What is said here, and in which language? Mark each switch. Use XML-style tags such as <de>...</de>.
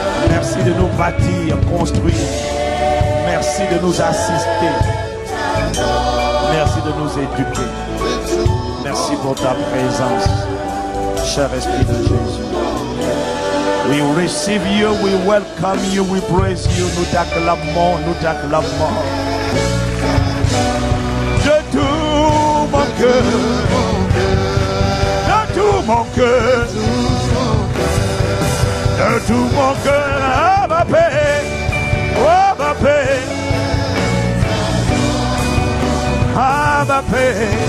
<fr>Merci de nous bâtir, construire. Merci de nous assister. Merci de nous éduquer. Merci pour ta présence, cher Esprit de Jésus.</fr> <en>We receive you, we welcome you, we praise you.</en> <fr>Nous t'acclamons, nous t'acclamons. De tout mon cœur, de tout mon cœur, de tout mon cœur, à ma paix, à ma paix, à ma paix.</fr>